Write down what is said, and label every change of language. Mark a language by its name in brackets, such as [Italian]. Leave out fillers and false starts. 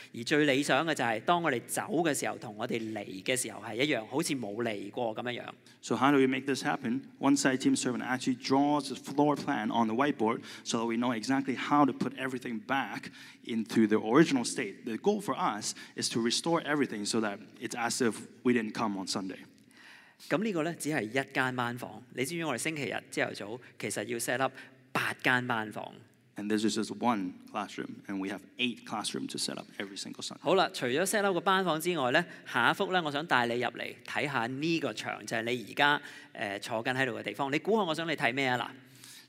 [Cantonese] 而最理想嘅就係當我哋走嘅時候，同我哋嚟嘅時候係一樣，好似冇嚟過咁樣樣。 [English] So how do we make this happen? One side team servant actually draws the floor plan on the whiteboard so that we know exactly how to put everything back into the original state. The goal for us is to restore everything so that it's as if we didn't come on Sunday. [Cantonese] 咁呢個咧只係一間班房。你知唔知我哋星期日朝頭早其實要 set up 八間班房？ [English] And this is just one classroom, and we have eight classrooms to set up every single Sunday. [Cantonese] 好啦，除咗 set up 個班房之外咧，下一幅咧，我想帶你入嚟睇下呢個牆，就係你而家坐緊喺度嘅地方。你估下我想你睇咩啊？嗱